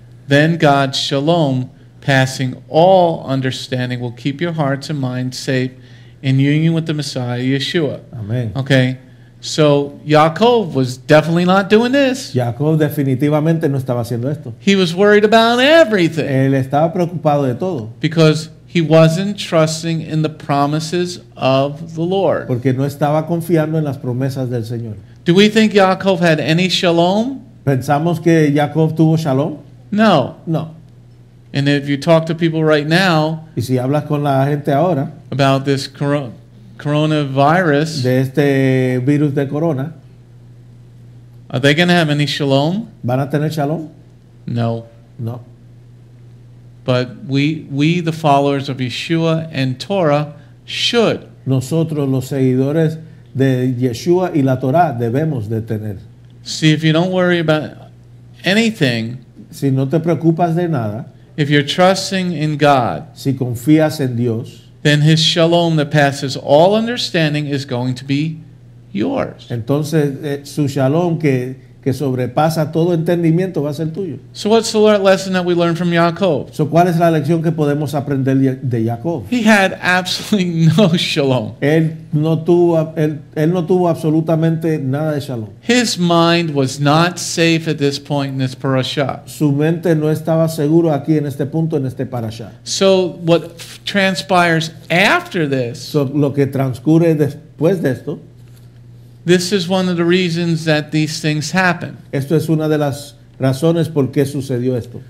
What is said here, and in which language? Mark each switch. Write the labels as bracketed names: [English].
[English] Then God's shalom, passing all understanding, will keep your hearts and minds safe in union with the Messiah, Yeshua. Amen. Okay, so Yaakov was definitely not doing this. [Spanish] Yaakov definitivamente no estaba haciendo esto. [English] He was worried about everything. [Spanish] Él estaba preocupado de todo. [English] Because he wasn't trusting in the promises of the Lord. [Spanish] Porque no estaba confiando en las promesas del Señor. [English] Do we think Yaakov had any shalom? [Spanish] ¿Pensamos que Yaakov tuvo shalom? [English] No. [Spanish] No. [English] And if you talk to people right now, [Spanish] y si hablas con la gente ahora, [English] about this coronavirus, [Spanish] de este virus de corona, [English] are they going to have any shalom? [Spanish] ¿Van a tener shalom? [English] No. [Spanish] No. [English] But we the followers of Yeshua and Torah should. [Spanish] Nosotros los seguidores de Yeshua y la Torah debemos de tener. [English] See, if you don't worry about anything, [Spanish] si no te preocupas de nada, [English] if you're trusting in God, [Spanish] si confías en Dios, [English] then His shalom that passes all understanding is going to be yours. [Spanish] Entonces, su shalom que sobrepasa todo entendimiento va a ser tuyo. [English] So what's the lesson that we learn from Yaakov? [Spanish] So ¿cuál es la lección que podemos aprender de Yaakov? [English] He had absolutely no shalom. [Spanish] Él no tuvo absolutamente nada de shalom. [English] His mind was not safe at this point in this parasha. [Spanish] Su mente no estaba seguro aquí en este punto, en este parasha. [English] So what transpires after this? [Spanish] So lo que transcurre después de esto. [English] This is one of the reasons that these things happen. [Spanish] Esto es una de las razones por qué sucedió esto.